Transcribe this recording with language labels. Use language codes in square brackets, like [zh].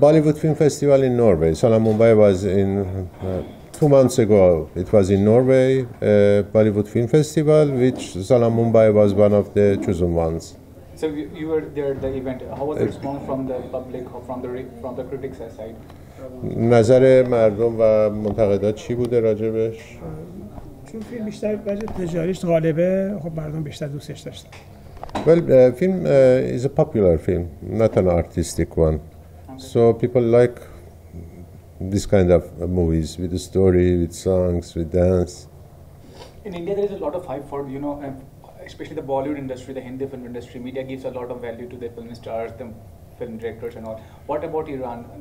[en] Bollywood film festival in Norway. Salam Mumbai was in 2 months ago. It was in Norway, Bollywood film festival, which Salam Mumbai was one of the chosen ones. So you were there at the event. How was the response from the public or from the critics' side? [fa] نظر مردم و منتقدات چی بوده راجبش؟ چون فیلم بیشتر بجه تجاریش غالبه خب مردم بیشتر دوستش داشتن. [en] Well, film is a popular film, not an artistic one. So people like this kind of movies with a story, with songs, with dance. In India there is a lot of hype for, you know, especially the Bollywood industry, the Hindi film industry, media gives a lot of value to the film stars, the film directors and all. What about Iran?